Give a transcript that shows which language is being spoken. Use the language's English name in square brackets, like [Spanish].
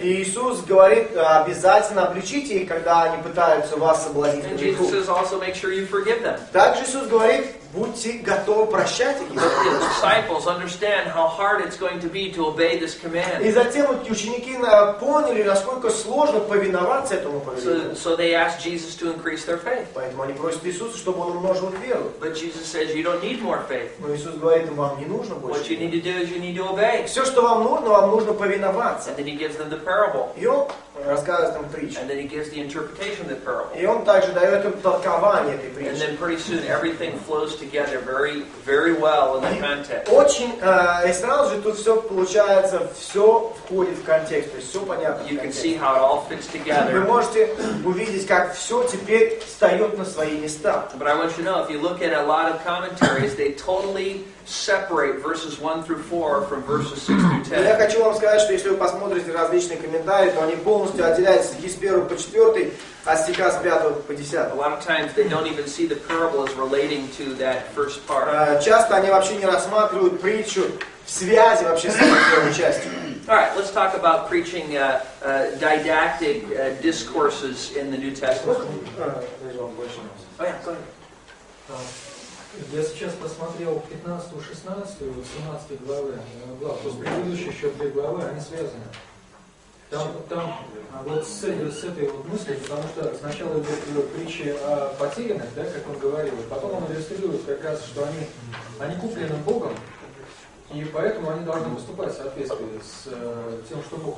[Russian] И Иисус говорит, обязательно обличите их, когда они пытаются вас соблазнить. [English] And Jesus says, also make sure you forgive them. [Russian] Также Иисус говорит, будьте готовы прощать их. [English] The disciples understand how hard it's going to be to obey this command. [Russian] И затем ученики поняли, насколько сложно повиноваться этому повелению. [English] So they asked Jesus to increase their faith. [Russian] Поэтому они просят Иисуса, чтобы он умножил их веру. [English] But Jesus says you don't need more faith. [Russian] Но Иисус говорит, вам не нужно больше. [English] What you need to do is you need to obey. [Russian] Все, что вам нужно повиноваться. [English] And then he gives them the parable. [Russian] Рассказывает им притчу. [English] And then he gives the interpretation of the parable. [Russian] И он также дает им толкование этой притчи. [English] And then pretty soon everything flows together very, very well in the context. [Russian] Очень, и сразу же тут все получается, все входит в контекст, то есть все понятно. [English] You [Russian] в контексте. [English] Can see how it all fits together. [Russian] Вы можете увидеть, как все теперь встает на свои места. [English] But I want you to know, if you look at a lot of commentaries, they totally separate verses 1 through 4 from verses 6 through 10. [Russian] Я хочу вам сказать, что если вы посмотрите различные комментарии, то они полностью отделяются стихи с 1 по 4, а стиха с 5 по 10. [English] A lot of times they don't even see the parable as relating to that first part. [Russian] Часто они вообще не рассматривают притчу в связи вообще с первой частью. [English] All right, let's talk about preaching didactic discourses in the New Testament. There's one question. Oh yeah, go ahead. [Russian] Я сейчас посмотрел 15, 16, 17 главы. То есть предыдущие еще две главы, они связаны. Там вот с этой вот мыслью, потому что сначала идет притча о потерянных, да, как он говорил, потом он иллюстрирует как раз, что они куплены Богом, и поэтому они должны выступать в соответствии с тем, что Бог